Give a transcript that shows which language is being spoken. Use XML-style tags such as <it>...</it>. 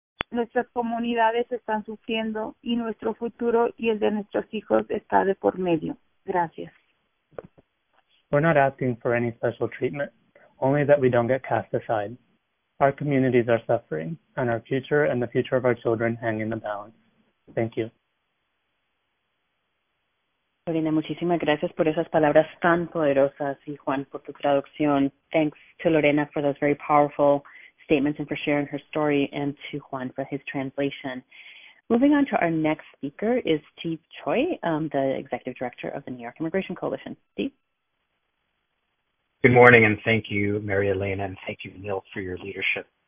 <es>Nuestras comunidades están sufriendo y nuestro futuro y el de nuestros hijos está de por medio. Gracias.</es> <en>We're not asking for any special treatment, only that we don't get cast aside. Our communities are suffering, and our future and the future of our children hang in the balance. Thank you.</en> <es>Lorena, muchísimas gracias por esas palabras tan poderosas y Juan por tu traducción.</es> <en>Thanks to Lorena for those very powerful statements and for sharing her story, and to Juan for his translation. Moving on to our next speaker is Steve Choi, the Executive Director of the New York Immigration Coalition. Steve? Good morning, and thank you, Mary Elena, and thank you, Neil, for your leadership.</en>